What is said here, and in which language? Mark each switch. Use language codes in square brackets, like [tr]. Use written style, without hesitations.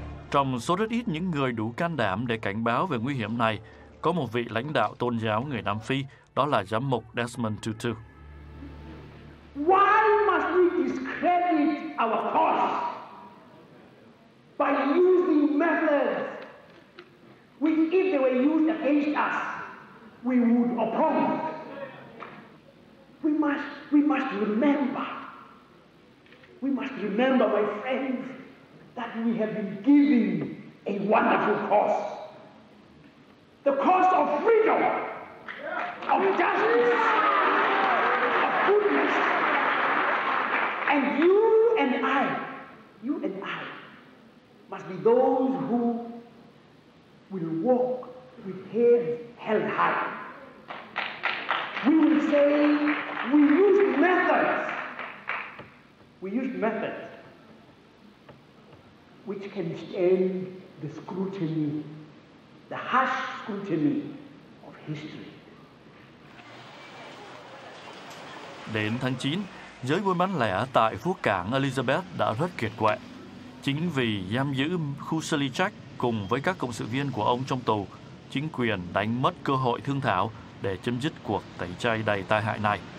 [vi] Trong số rất ít những người đủ can đảm để cảnh báo về nguy hiểm này, có một vị lãnh đạo tôn giáo người Nam Phi, đó là giám mục Desmond Tutu. [en] Why must we discredit our cause by using methods which, if they were used against us, we would oppose? We must remember, my friends, that we have been given a wonderful cause. The cause of freedom, of justice, of goodness. And you and I, must be those who will walk with heads held high. We will say, we used methods which can stand the scrutiny, the harsh scrutiny of history. [vi] Đến tháng 9, giới buôn bán lẻ tại phố cảng Elizabeth đã rất kiệt quệ. Chính vì giam giữ Khuselichak cùng với các cộng sự viên của ông trong tù, chính quyền đánh mất cơ hội thương thảo để chấm dứt cuộc tẩy chay đầy tai hại này.